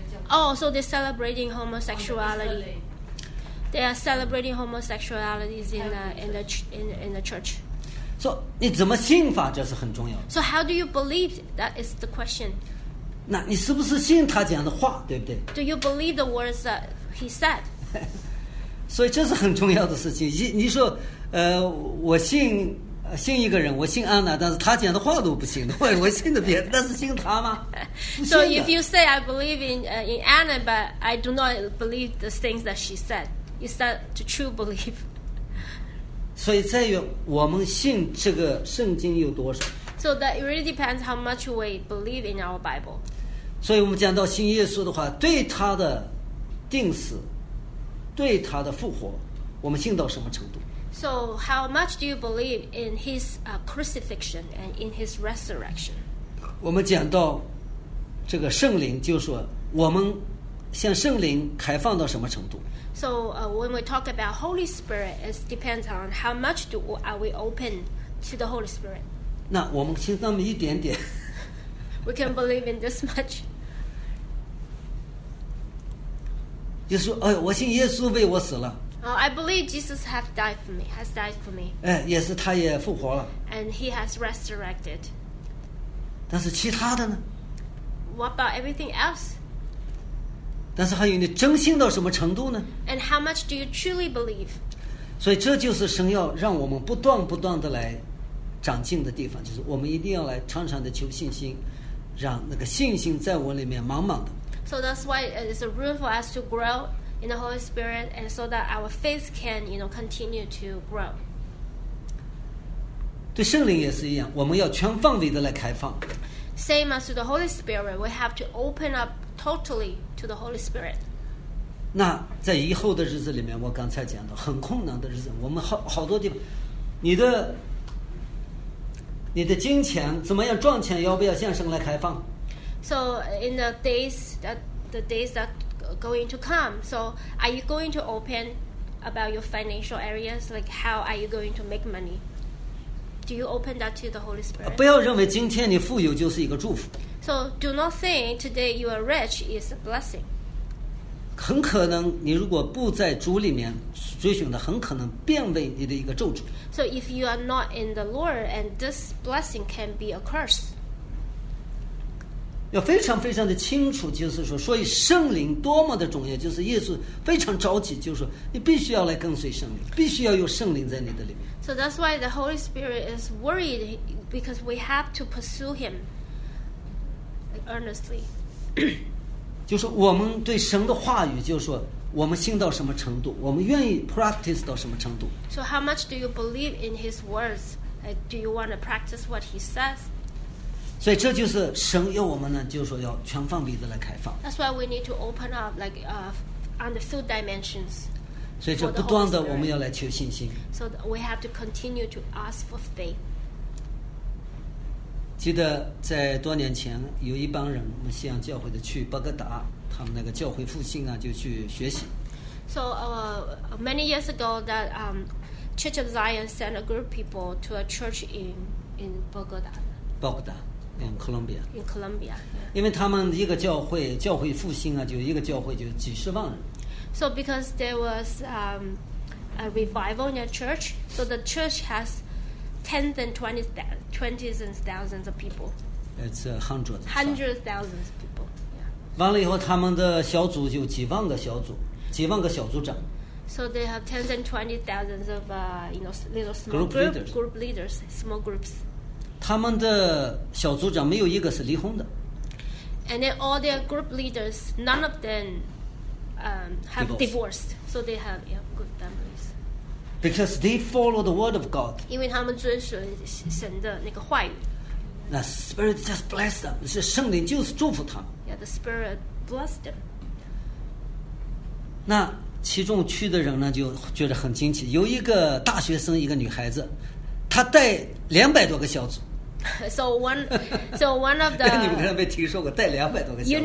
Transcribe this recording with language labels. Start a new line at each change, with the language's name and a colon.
English: Oh, so they're celebrating homosexuality. They are celebrating homosexuality in the church.
Chinese: So 你怎么信法这是很重要的。
English: So how do you believe? That is the question.
Chinese: 那你是不是信他讲的话，对不对？
English: Do you believe the words that he said?
Chinese: 所以这是很重要的事情。你说，我信一个人，我信安娜，但是他讲的话都不信的，我信的别人，但是信他吗？
English: So if you say I believe in Anna, but I do not believe the things that she said, is that the true belief?
Chinese: 所以在于我们信这个圣经有多少。
English: So that it really depends how much we believe in our Bible.
Chinese: 所以我们讲到信耶稣的话，对他的定死，对他的复活，我们信到什么程度？
English: So how much do you believe in his crucifixion and in his resurrection?
Chinese: 我们讲到这个圣灵，就是说我们向圣灵开放到什么程度。
English: So when we talk about Holy Spirit, it depends on how much are we open to the Holy Spirit.
Chinese: 那我们信那么一点点。
English: We can believe in this much.
Chinese: 就说，哎，我信耶稣为我死了。
English: I believe Jesus has died for me.
Chinese: 哎，也是他也复活了。
English: And he has resurrected.
Chinese: 但是其他的呢？
English: What about everything else?
Chinese: 但是还有你真信到什么程度呢？
English: And how much do you truly believe?
Chinese: 所以这就是神要让我们不断不断的来长进的地方，就是我们一定要来常常的求信心，让那个信心在我里面满满的。
English: So that's why it's a room for us to grow. In the Holy Spirit, and so that our faith can, you know, continue to grow.
Chinese: 对圣灵也是一样，我们要全方位的来开放。
English: Same as to the Holy Spirit, we have to open up totally to the Holy Spirit.
Chinese: 那在以后的日子里面，我刚才讲的很困难的日子，我们好多地方，你的金钱怎么样赚钱，要不要向圣来开放
English: ？So in the days that. Going to come. So, are you going to open about your financial areas? Like, how are you going to make money? Do you open that to the Holy Spirit?
Chinese: 不要认为今天你富有就是一个祝福。
English: So, do not think today you are rich is a blessing.
Chinese: 很可能你如果不在主里面追寻的，很可能变为你的一个咒诅。
English: So, if you are not in the Lord, and this blessing can be a curse.
Chinese: 要非常非常的清楚，就是说，所以圣灵多么的重要，就是耶稣非常着急，就是说，你必须要来跟随圣灵，必须要有圣灵在你的里面。
English: So that's why the Holy Spirit is worried because we have to pursue Him earnestly.
Chinese: 就是我们对神的话语，就是说，我们信到什么程度，我们愿意 practice 到什么程度。
English: So how much do you believe in His words? Like, do you want to practice what He says?
Chinese: 所以这就是神要我们呢，就是说要全方位的来开放。
English: That's why we need to open up like on the full dimensions.
Chinese: 所以这不断的我们要来求信心。
English: So we have to continue to ask for faith.
Chinese: 记得在多年前，有一帮人，我们西洋教会的去巴格达，他们那个教会复兴啊，就去学习。
English: So many years ago, that Church of Zion sent a group of people to a church in Baghdad. 巴格达。In Colombia. In Colombia.、Yeah.
Chinese: 因为他们一个教会复兴啊，就一个教会就几十万人。
English: So because there was a revival in the church, so the church has tens and twenties and thousands of people. It's hundreds. Hundreds thousands of people.、Yeah.
Chinese: 完了以后，他们的小组就几万个小组，几万个小组长。
English: So they have tens and twenty thousands of little small group leaders, small groups.
Chinese: 他们的小组长没有一个是离婚的。
English: And then all their group leaders, none of them, have divorced. So they have good families. Because they follow the word of God.
Chinese: 因为他们遵循神的那个话语。
English: The Spirit just blessed them.
Chinese: 是圣灵就是祝福他们。
English: Yeah, the Spirit blessed them.
Chinese: 那其中去的人呢，就觉得很惊奇。有一个大学生，一个女孩子。他带200多个小组。
English: So one of the
Chinese: 你们可能没听说过，带200多个小组。